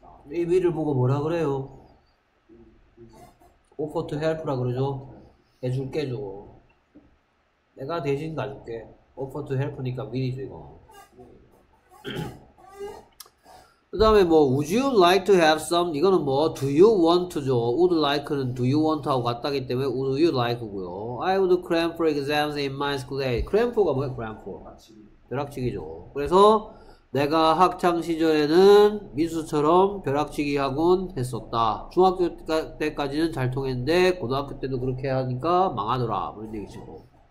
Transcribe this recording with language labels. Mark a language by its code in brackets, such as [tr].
[ko] 이 위를 보고 뭐라 그래요? 오퍼 투 헬프라 그러죠? 해줄게 줘. 내가 대신 가줄게. 오퍼 투 헬프니까 위리죠 이거. [en] 그 다음에 뭐 would you like to have some, 이거는 뭐 do you want 죠 would like는 do you want [ko] 하고 같다기 때문에 [en] would you like 고요 I would cram for exams in my school day. [ko] cram for가 뭐예요? cram for 벼락치기죠. 그래서 내가 학창시절에는 민수처럼 벼락치기 학원 했었다. 중학교 때까지는 잘 통했는데 고등학교 때도 그렇게 하니까 망하더라. 그런 얘기죠.